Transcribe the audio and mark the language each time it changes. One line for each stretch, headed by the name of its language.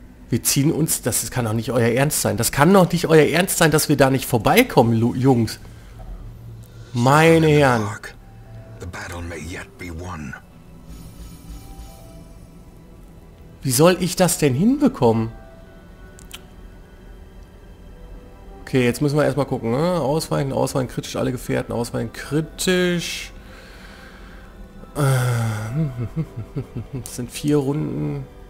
German: Wir ziehen uns, das kann doch nicht euer Ernst sein. Das kann doch nicht euer Ernst sein, dass wir da nicht vorbeikommen, Jungs. Meine Herren.
English: The battle may yet be won.
German: Wie soll ich das denn hinbekommen? Okay, jetzt müssen wir erstmal gucken. Ne? Ausweichen, ausweichen, kritisch alle Gefährten, ausweichen, kritisch. Das sind 4 Runden.